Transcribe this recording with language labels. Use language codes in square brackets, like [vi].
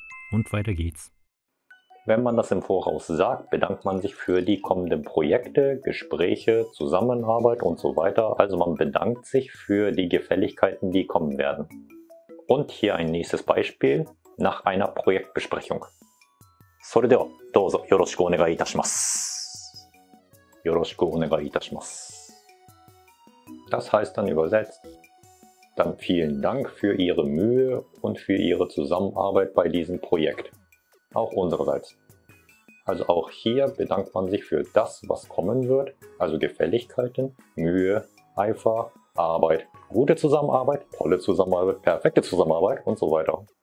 [de] Und weiter geht's. Wenn man das im Voraus sagt, bedankt man sich für die kommenden Projekte, Gespräche, Zusammenarbeit und so weiter. Also man bedankt sich für die Gefälligkeiten, die kommen werden. Und hier ein nächstes Beispiel nach einer Projektbesprechung. [ja] それではどうぞよろしくお願いいたします。よろしくお願いいたします。 [de] Das heißt dann übersetzt, dann vielen Dank für Ihre Mühe und für Ihre Zusammenarbeit bei diesem Projekt. Auch unsererseits. Also auch hier bedankt man sich für das, was kommen wird, also Gefälligkeiten, Mühe, Eifer, Arbeit, gute Zusammenarbeit, tolle Zusammenarbeit, perfekte Zusammenarbeit und so weiter.